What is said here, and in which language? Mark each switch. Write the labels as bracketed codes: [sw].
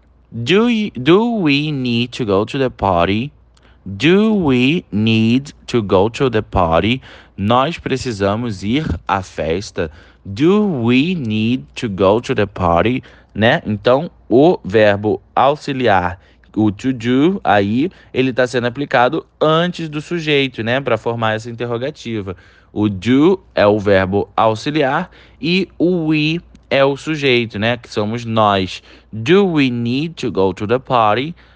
[en] Do we need to go to the party? Do we need to go to the party? [pt] Nós precisamos ir à festa. [en] Do we need to go to the party? [pt] Né? Então, o verbo auxiliar, o to do, aí, ele está sendo aplicado antes do sujeito, né? Para formar essa interrogativa. O do é o verbo auxiliar e o we é o sujeito, né? Que somos nós. [en] Do we need to go to the party?